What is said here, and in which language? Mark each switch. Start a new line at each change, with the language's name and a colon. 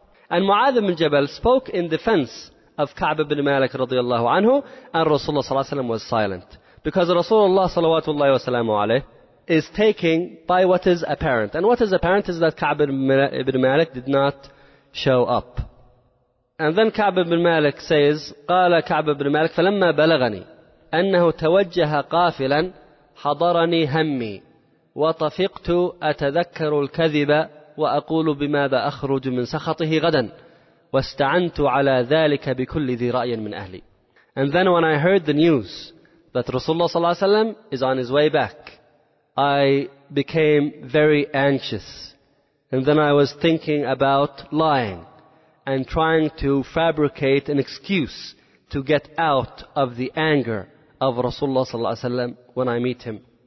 English: And Mu'adh ibn Jabal spoke in defense of Ka'b ibn Malik radiallahu anhu, and Rasulullah sallallahu alayhi wa sallam was silent. Because Rasulullah sallallahu alayhi is taking by what is apparent. And what is apparent is that Ka'b ibn Malik did not show up. And then Ka'b ibn Malik says,
Arabic: قال كعب ibn Malik, فلما بلغني أنه توجه قافلا حضرني همي وطفقت أتذكر الكذب وأقول بماذا أخرج من سخطه غدا واستعنت على ذلك بكل ذي رأي من أهلي.
English: And then when I heard the news that Rasulullah صلى الله عليه وسلم is on his way back, I became very anxious. And then I was thinking about lying and trying to fabricate an excuse to get out of the anger of Rasulullah صلى الله عليه وسلم when I meet him.